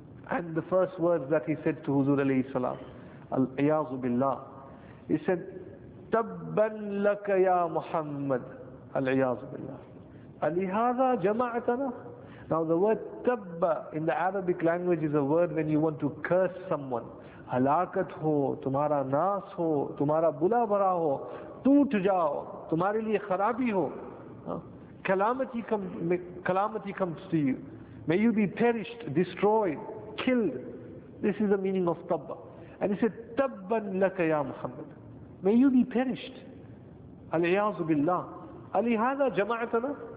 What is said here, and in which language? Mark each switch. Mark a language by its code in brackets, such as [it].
[en] And the first words that he said to Huzur alayhi salam, Al-Iyazu billah, he said, [ar] Tabban laka ya Muhammad, [en] Al-Iyazu billah. [ar] Alihada jama'atana. [en] Now the word tabba in the Arabic language is a word when you want to curse someone. [ur] ہلاکت ہو، تمہارا ناس ہو، تمہارا برا بھلا ہو، ٹوٹ جاؤ، تمہارے لیے خرابی ہو۔ [en] Calamity comes to you. May you be perished, destroyed, killed. This is the meaning of tabba. And he said, [ar] tabban laka ya Muhammad. [en] May you be perished. Al-Iyazu billah. [ar] Alihada jama'atana.